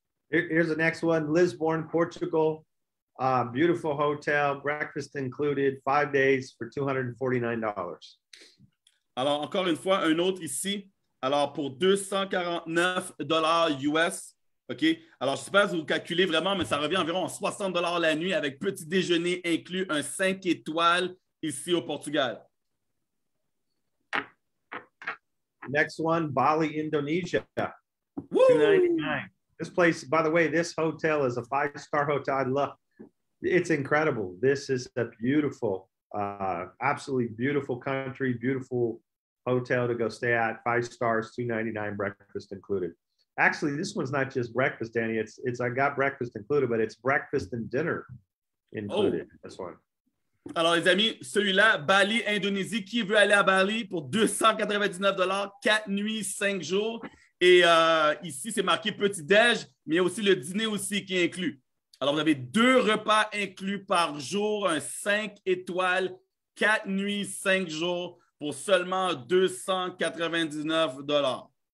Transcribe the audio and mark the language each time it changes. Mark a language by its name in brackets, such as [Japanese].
[English] Here's the next one, Lisbon, Portugal. Beautiful hotel, breakfast included, 5 days for $249. [French] Alors, encore une fois, un autre ici. Alors, pour $249 US, OK? Alors, je ne sais pas si vous calculez vraiment, mais ça revient environ à $60 la nuit avec petit déjeuner inclus, un 5 étoiles ici au Portugal. [English] Next one, Bali, Indonesia. Woo! $299. This place, by the way, this hotel is a 5-star hotel. I love it. It's incredible. This is a beautiful, absolutely beautiful country, beautiful hotel to go stay at. 5 stars, $299, breakfast included. Actually, this one's not just breakfast, Danny. It's I got breakfast included, but it's breakfast and dinner included. Oh. This one. [French] Alors, les amis, celui-là, Bali, Indonésie. Qui veut aller à Bali pour $299, 4 nuits, 5 jours? Et ici, c'est marqué petit-déj, mais aussi le dîner aussi qui est inclus. Alors, vous avez 2 repas inclus par jour, un 5 étoiles, 4 nuits, 5 jours, pour seulement $299.